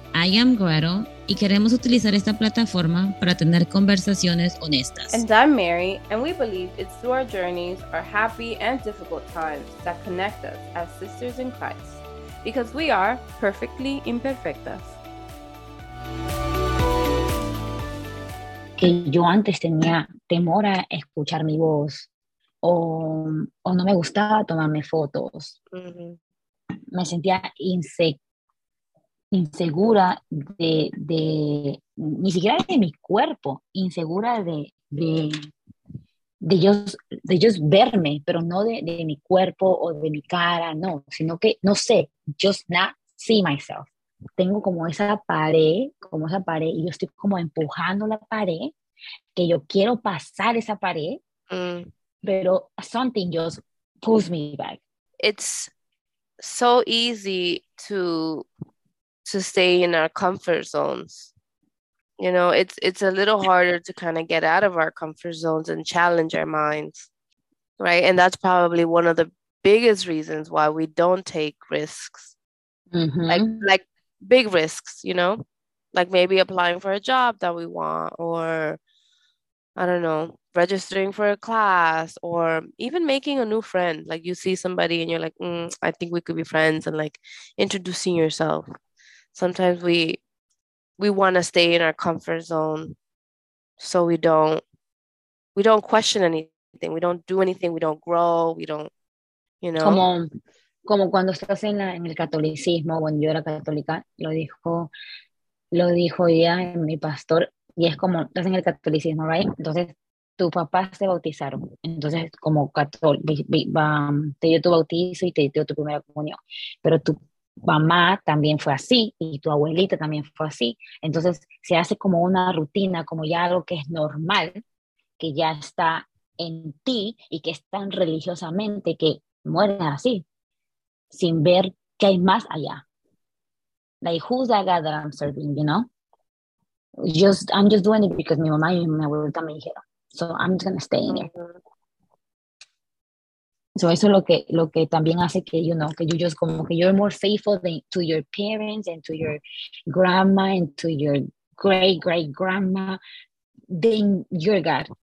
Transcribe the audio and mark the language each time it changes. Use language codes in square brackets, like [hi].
[en] I am [es] Guero y queremos utilizar esta plataforma para tener conversaciones honestas. [en] And I'm Mary, and we believe it's through our journeys, our happy and difficult times that connect us as sisters in Christ, because we are perfectly imperfectas. [es] Que yo antes tenía temor a escuchar mi voz o no me gustaba tomarme fotos. Me sentía insegura de ni siquiera de mi cuerpo, insegura de yo verme, pero no de mi cuerpo o de mi cara, no, sino que no sé, [en] just not see myself. [es] Tengo como esa pared, y yo estoy como empujando la pared, que yo quiero pasar esa pared, pero [en] something just pulls me back. It's so easy to stay in our comfort zones. You know, it's a little harder to kind of get out of our comfort zones and challenge our minds, right? And that's probably one of the biggest reasons why we don't take risks, like big risks, you know, like maybe applying for a job that we want, or I don't know, registering for a class, or even making a new friend. Like you see somebody and you're like, I think we could be friends, and like introducing yourself. Sometimes we want to stay in our comfort zone so we don't question anything. We don't do anything. We don't grow. We don't, you know. [es] Como cuando estás en el catolicismo, cuando yo era católica, lo dijo ya mi pastor, y es como, estás en el catolicismo, right? Entonces, tus papás te bautizaron. Entonces, como católico, te dio tu bautizo y te dio tu primera comunión. Pero tu mamá también fue así y tu abuelita también fue así. Entonces, se hace como una rutina, como ya algo que es normal, que ya está en ti y que es tan religiosamente que mueres así, sin ver qué hay más allá. [en] Like, who's that God that I'm serving, you know? I'm just doing it because [es] mi mamá y mi abuelita me dijeron. [en] So I'm just gonna stay in it. So [es] eso es lo que también hace que, [en] you know, que you just como que you're more faithful to your parents and to your grandma and to your great grandma than your God.